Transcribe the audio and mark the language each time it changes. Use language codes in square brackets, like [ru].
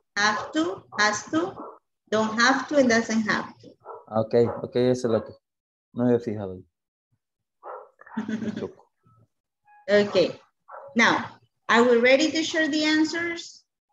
[en] Have to, has to, don't have to, and doesn't have to. [es] Ok, ok, eso es lo que no había fijado. [en] Okay, now, are we ready to share the answers?